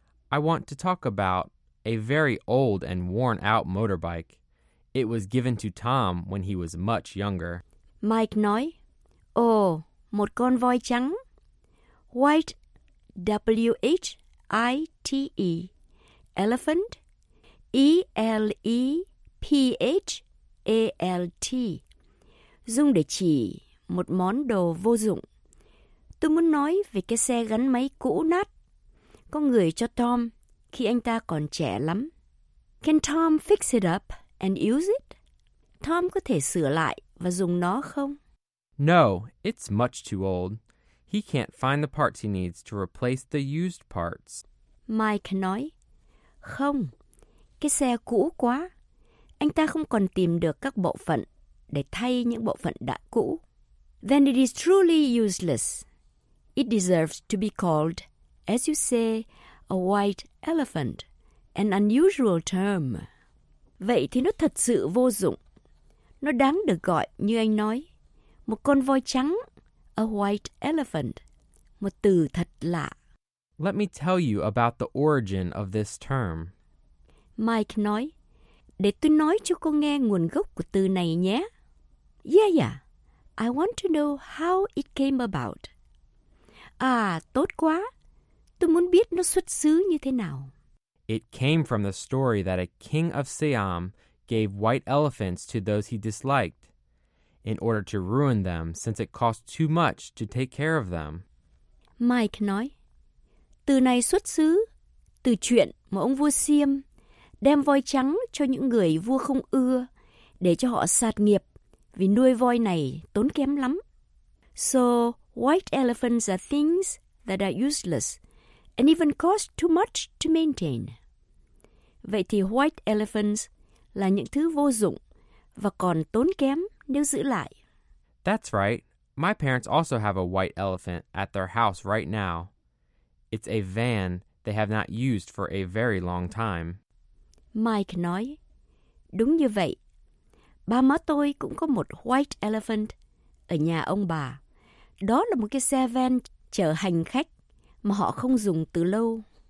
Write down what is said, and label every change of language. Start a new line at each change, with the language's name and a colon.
English: I want to talk about a very old and worn out motorbike. It was given to Tom when he was much younger.
Vietnamese: Mike nói, oh, một con voi trắng.
English: White, W-H-I-T-E. Elephant, E-L-E-P-H-A-L-T.
Vietnamese: Dùng để chỉ một món đồ vô dụng. Tôi muốn nói về cái xe gắn máy cũ nát. Có người cho Tom khi anh ta còn trẻ lắm.
English: Can Tom fix it up and use it?
Vietnamese: Tom có thể sửa lại và dùng nó không?
English: No, it's much too old. He can't find the parts he needs to replace the used parts.
Vietnamese: Mike nói, không, cái xe cũ quá. Anh ta không còn tìm được các bộ phận để thay những bộ phận đã cũ.
English: Then it is truly useless. It deserves to be called, as you say, a white elephant, an unusual term.
Vietnamese: Vậy thì nó thật sự vô dụng. Nó đáng được gọi, như anh nói, một con voi trắng, a white elephant, một từ thật lạ.
English: Let me tell you about the origin of this term.
Vietnamese: Mike nói, để tôi nói cho cô nghe nguồn gốc của từ này nhé.
English: Yeah, I want to know how it came about.
Vietnamese: À, tốt quá, tôi muốn biết nó xuất xứ như thế nào.
English: It came from the story that a king of Siam gave white elephants to those he disliked in order to ruin them since it cost too much to take care of them.
Vietnamese: Mike nói, từ này xuất xứ, từ chuyện mà ông vua Siam đem voi trắng cho những người vua không ưa để cho họ sạt nghiệp vì nuôi voi này tốn kém lắm.
English: So, white elephants are things that are useless and even cost too much to maintain.
Vietnamese: Vậy thì white elephants là những thứ vô dụng và còn tốn kém nếu giữ lại.
English: That's right. My parents also have a white elephant at their house right now. It's a van they have not used for a very long time.
Vietnamese: Mike nói, đúng như vậy. Ba má tôi cũng có một white elephant ở nhà ông bà. Đó là một cái xe van chở hành khách mà họ không dùng từ lâu.